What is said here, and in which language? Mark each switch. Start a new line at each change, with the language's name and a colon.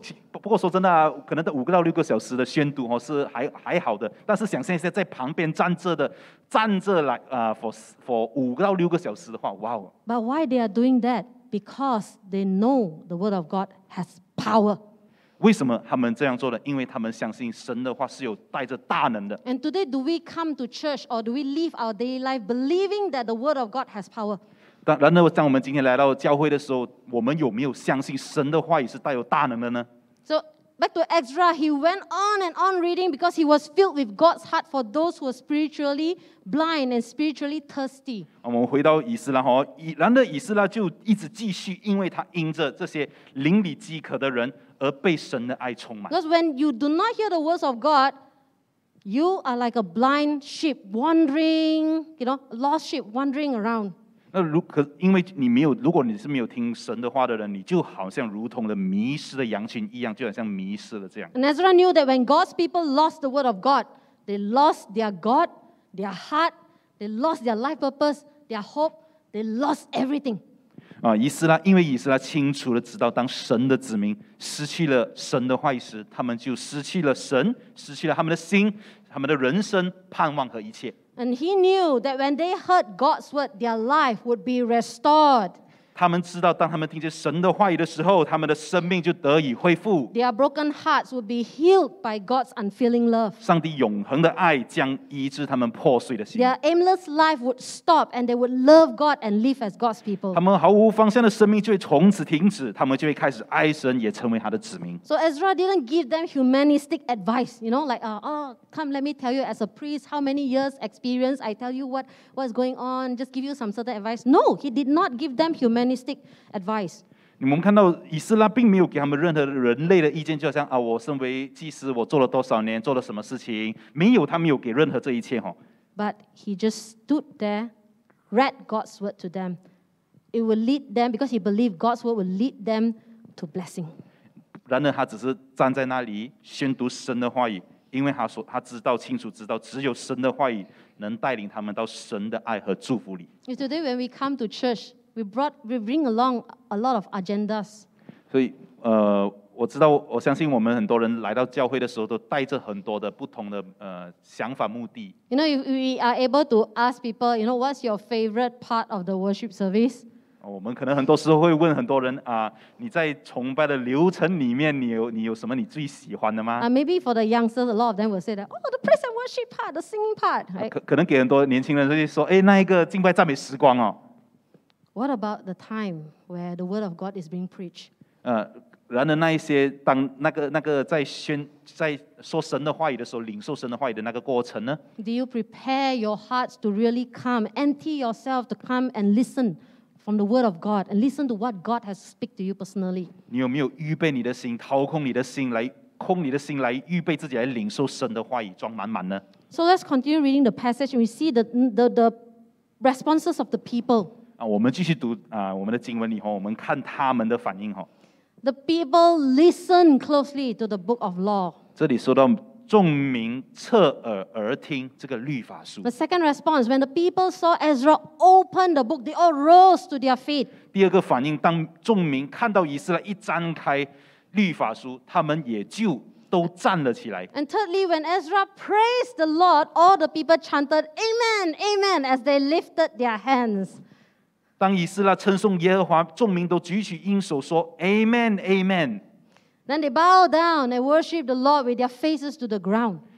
Chinese: 不过说真的啊，可能在5-6个小时的宣读哦是还好的，但是想象一下在旁边站着来for 5-6个小时的话，哇、wow、哦。
English: But why they are doing that? Because they know the word of God has power.
Chinese: 为什么他们这样做的？因为他们相信神的话是有带着大能的。
English: And today, do we come to church or do we live our daily life believing that the word of God has power?
Chinese: 然而，当我们今天来到教会的时候，我们有没有相信神的话语是带有大能的呢？
English: So back to Ezra, he went on and on reading because he was filled with God's heart for those who were spiritually blind and spiritually thirsty.
Chinese: 我们回到以斯拉，然而以斯拉就一直继续，因为他因着这些灵里饥渴的人。
English: Because when you do not hear the words of God, you are like a blind sheep wandering, you know, lost sheep wandering around.
Chinese: 那如可因为你没有，如果你是没有听神的话的人，你就好像如同了迷失的羊群一样，就好像迷失了这样。
English: And Ezra knew that when God's people lost the word of God, they lost their God, their heart, they lost their life purpose, their hope, they lost everything.
Chinese: 因为以斯拉清楚地知道当神的子民失去了神的话语时他们就失去了神失去了他们的心他们的人生盼望和一切
English: And he knew that when they heard God's word their life would be restored
Chinese: 他们知道当他们听见神的话语的时候他们的生命就得以恢复
English: Their broken hearts would be healed by God's unfailing love
Chinese: 上帝永恒的爱将医治他们破碎的心
English: Their aimless life would stop and they would love God and live as God's people
Chinese: 他们毫无方向的生命就会从此停止他们就会开始爱神也成为他的子民
English: So Ezra didn't give them humanistic advice you know like come let me tell you as a priest how many years experience I tell you what's going on just give you some certain advice No he did not give them humanistic advice
Chinese: 你们看到以斯拉并没有给他们任何人类的意见就好像我身为祭司我做了多少年做了什么事情没有他没有给任何这一切、哦、
English: But he just stood there read God's word to them it will lead them because he believed God's word will lead them to blessing
Chinese: 然而他只是站在那里宣读神的话语因为他知道清楚知道只有神的话语能带领他们到神的爱和祝福里
English: Today when we come to churchWe bring along a lot of agendas.
Chinese: 所以，我知道，我相信我们很多人来到教会的时候，都带着很多的不同的想法、目的。
English: You know, if we are able to ask people, you know, what's your favorite part of the worship service?
Chinese: 我们可能很多时候会问很多人你在崇拜的流程里面，你有什么你最喜欢的吗？
English: Maybe for the youngsters, a lot of them will say that, oh, the praise and worship part, the singing part.、Right?
Chinese: 可能给很多年轻人会说，那一个敬拜赞美时光哦。
English: What about the time where the word of God is being preached?
Chinese: 然而那一些当那个那个在宣在说神的话语的时候，领受神的话语的那个过程呢
English: ？Do you prepare your hearts to really come, empty yourself to come and listen from the word of God and listen to what God has speak to you personally？
Chinese: 你有没有预备你的心，掏空你的心来，空你的心来预备自己来领受神的话语，装满满呢
English: ？So let's continue reading the passage. We see the responses of the people.
Chinese: 我们继续读我们的经文以后，我们看他们的反应哈。
English: The people listen closely to the book of law.
Chinese: 这里说到众民侧耳而听这个律法书。
English: The second response, when the people saw Ezra open the book, they all rose to their feet.
Chinese: 第二个反应，当众民看到以斯拉一张开律法书，他们也就都站了起来。
English: And thirdly, when Ezra praised the Lord, all the people chanted, "Amen, Amen," as they lifted their hands.
Chinese: 当以斯拉称颂耶和华，众民都举起音手说 "Amen, Amen."
English: Then they bow down and worship the Lord with their faces to the ground.